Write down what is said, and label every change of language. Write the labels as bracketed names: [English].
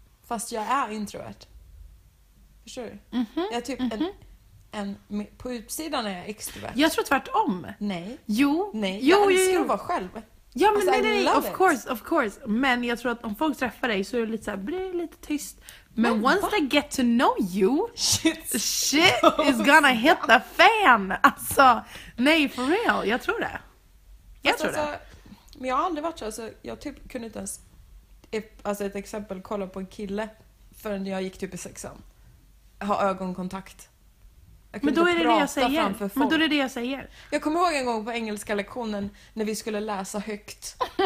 [Swedish] Fast jag är introvert. Förstår du? Mm-hmm. Jag är typ en på utsidan är jag extrovert. Jag tror tvärtom. Nej. Jo. Nej, jag älskar att vara själv. Ja, men alltså, nej, [English] of it. Course, of course. [Swedish] Men jag tror att om folk träffar dig så är det lite så här, blir det lite tyst. [English] Men once they get to know you, shit is gonna hit the fan. [Swedish] Alltså, nej, [English] for real. [Swedish] Jag tror det. Men jag har aldrig varit så. Alltså, jag typ kunde inte ens, alltså ett exempel, kolla på en kille förrän jag gick typ i sexan. Ha ögonkontakt. Men då är det det jag säger. Men då är det det jag säger. Jag kommer ihåg en gång på engelska lektionen när vi skulle läsa högt.